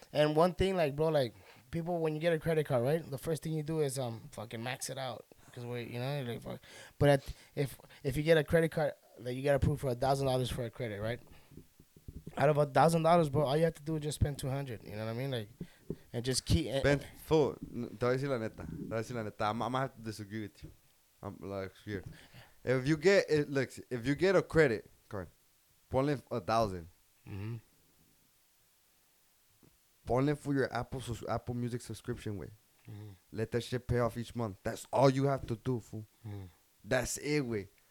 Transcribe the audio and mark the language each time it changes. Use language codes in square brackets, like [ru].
[en] And one thing, like, bro, like, people, when you get a credit card, right, the first thing you do is fucking max it out. Because, you know, like, fuck. But if you get a credit card that you got approved for $1,000 for a credit, right, out of $1,000, bro, all you have to do is just spend $200, you know what I mean? Like, and just keep it. [es] Ben, fool, te voy a decir la neta. [en] I'm going to have to disagree with you. I'm like, here. If you get a credit card, Only for your Apple Music subscription, way. Mm-hmm. Let that shit pay off each month. That's all you have to do, fool. Mm-hmm. That's it, way.